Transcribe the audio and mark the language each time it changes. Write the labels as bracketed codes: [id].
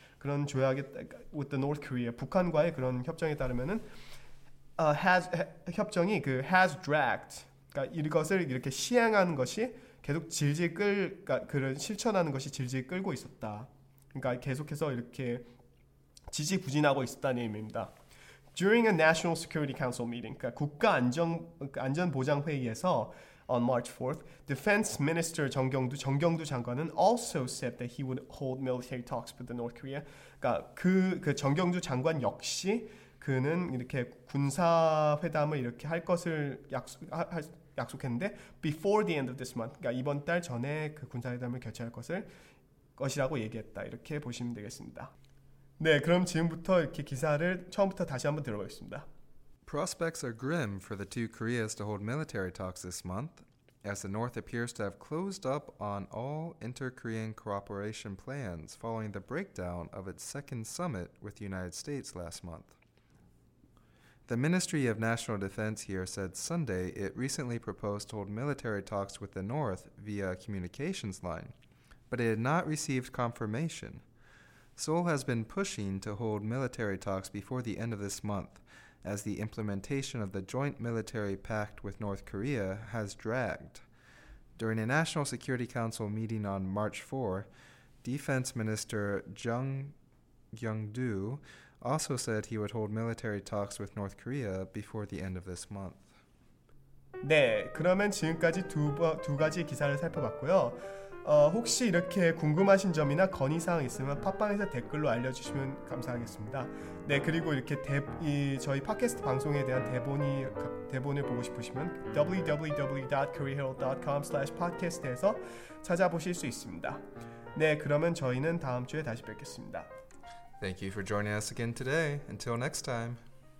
[ko] 그런 조약에 [en] with the North Korea [ko] 북한과의 그런 협정에 따르면은 협정이 그 [en] has dragged [ko] 그러니까 이것을 이렇게 시행하는 것이 계속 질질 끌 그러니까 그런 실천하는 것이 질질 끌고 있었다. 그러니까 계속해서 이렇게 지지부진하고 있었다는 의미입니다. [en] During a National Security Council meeting, [ko] 그러니까 국가안전보장회의에서 [en] on March 4th, Defense Minister [ko] 정경두 장관은 [en] also said that he would hold military talks with the North Korea. [ko] 그러니까 그 정경두 장관 역시 그는 이렇게 군사회담을 이렇게 할 것을 약속했는데 [en] before the end of this month, [ko] 그러니까 이번 달 전에 그 군사회담을 개최할 것이라고 얘기했다. 이렇게 보시면 되겠습니다. 네, 그럼 지금부터 이렇게 기사를 처음부터 다시 한번 들어보겠습니다. [en] Prospects are grim for the two Koreas to hold military talks this month, as the North appears to have closed up on all inter-Korean cooperation plans following the breakdown of its second summit with the United States last month. The Ministry of National Defense here said Sunday it recently proposed to hold military talks with the North via a communications line, but it had not received confirmation. Seoul has been pushing to hold military talks before the end of this month, as the implementation of the joint military pact with North Korea has dragged. During a National Security Council meeting on March 4, Defense Minister Jung Kyung-do also said he would hold military talks with North Korea before the end of this month. [ko] 네, 그러면 지금까지 두 가지 기사를 살펴봤고요. 혹시 이렇게 궁금하신 점이나 건의사항 있으면 팟빵에서 댓글로 알려주시면 감사하겠습니다. 네, 그리고 이렇게 저희 팟캐스트 방송에 대한 대본을 보고 싶으시면 www.koreaherald.com/podcast에서 찾아보실 수 있습니다. 네, 그러면 저희는 다음 주에 다시 뵙겠습니다. [en] Thank you for joining us again today. Until next time.